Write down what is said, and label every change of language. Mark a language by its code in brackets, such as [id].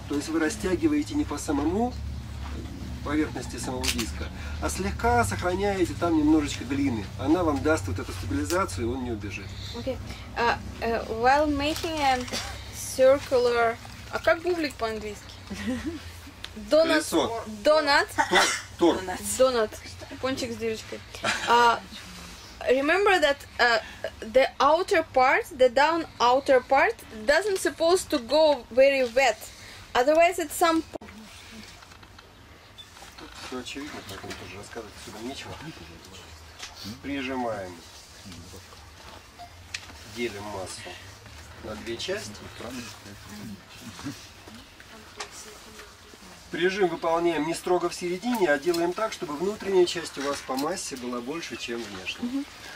[ru] То есть вы растягиваете не по самому поверхности самого диска, а слегка сохраняете там немножечко глины. Она вам даст вот эту стабилизацию, и он не убежит. [en] Okay. While making a circular... [ru] А как бублик по-английски? Донат. Донат. Донат. Пончик с дырочкой. [en] remember that the outer part, the down outer part, doesn't supposed to go very wet. Otherwise, it's some. [ru] Все очевидно, поэтому тоже рассказывать отсюда нечего. Прижимаем, делим массу на две части. Прижим выполняем не строго в середине, а делаем так, чтобы внутренняя часть у вас по массе была больше, чем внешняя.